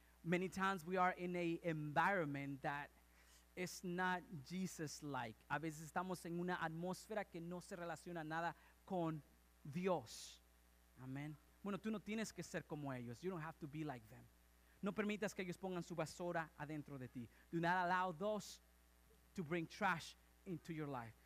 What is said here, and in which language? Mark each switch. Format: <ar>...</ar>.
<en>Many times we are in an environment that is not Jesus-like.</en> <es>A veces estamos en una atmósfera que no se relaciona nada con Dios. Amen. Bueno, tú no tienes que ser como ellos.</es> <en>You don't have to be like them.</en> <es>No permitas que ellos pongan su basura adentro de ti.</es> <en>Do not allow those to bring trash into your life.</en>